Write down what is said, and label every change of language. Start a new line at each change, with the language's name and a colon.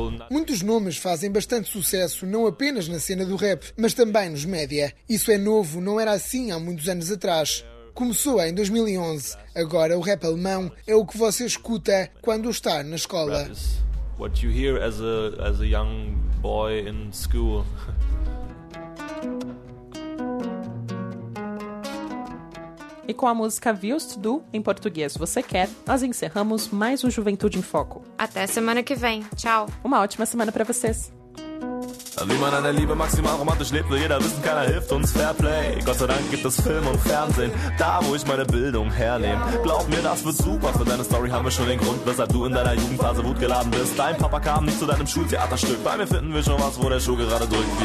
Portuguese: Muitos nomes fazem bastante sucesso, não apenas na cena do rap, mas também nos média. Isso é novo, não era assim há muitos anos atrás. Começou em 2011. Agora o rap alemão é o que você escuta quando está na escola.
English: What you hear as a young boy in school.
Portuguese: E com a música Willst Du, em português Você Quer, nós encerramos mais um Juventude em Foco. Até semana que vem. Tchau. Uma ótima semana para vocês.
German: Wie man an der Liebe maximal romantisch lebt, will jeder wissen, keiner hilft uns, fair play. Gott sei Dank gibt es Film und Fernsehen, da wo ich meine Bildung hernehme. Glaub mir, das wird super, für deine Story haben wir schon den Grund, weshalb du in deiner Jugendphase wutgeladen bist. Dein Papa kam nicht zu deinem Schultheaterstück, bei mir finden wir schon was, wo der Schuh gerade drückt.